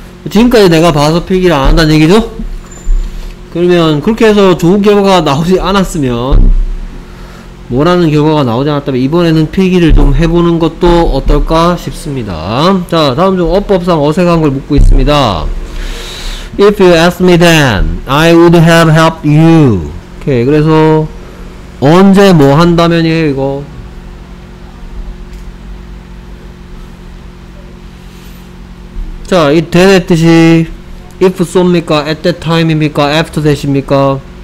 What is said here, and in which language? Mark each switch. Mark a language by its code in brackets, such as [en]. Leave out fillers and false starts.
[ko] 지금까지 내가 봐서 필기를 안 한다는 얘기죠? 그러면 그렇게 해서 좋은 결과가 나오지 않았으면 뭐라는 결과가 나오지 않았다면 이번에는 필기를 좀 해보는 것도 어떨까 싶습니다. 자, 다음 중 어법상 어색한 걸 묻고 있습니다. [en] If you ask me then, I would have helped you. [ko] 오케이, 그래서 언제 뭐 한다면이에요, 이거? 자, 이 then의 뜻이 [en] if so [ko] 입니까? [en] at that time [ko] 입니까? [en] after that [ko] 입니까?